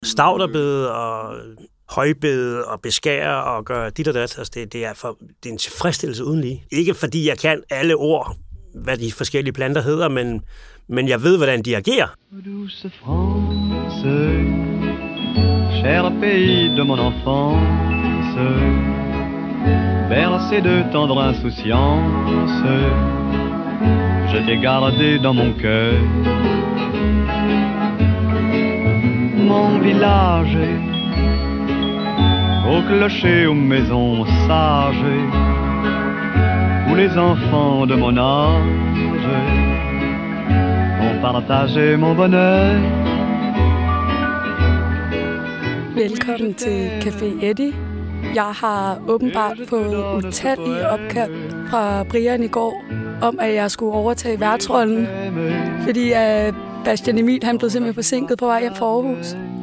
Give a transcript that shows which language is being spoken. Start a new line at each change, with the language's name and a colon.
Danish: stauderbede og højbede og beskære og gøre dit og dat. Altså det er en tilfredsstillelse uden lige. Ikke fordi jeg kan alle ord, hvad de forskellige planter hedder, men jeg ved, hvordan de agerer.
French: Douce France, cher pays de mon enfance, bercé de tendre insouciance, je t'ai gardé dans mon cœur. Mon village, au clocher, aux maisons sages, où les enfants de mon âge ont partagé mon bonheur.
Danish: Velkommen til Café Eddie. Jeg har åbenbart fået utallige opkald fra Brian i går om, at jeg skulle overtage værtrollen, fordi Bastian Emil, han blev simpelthen forsinket på vej hjem fra Aarhus.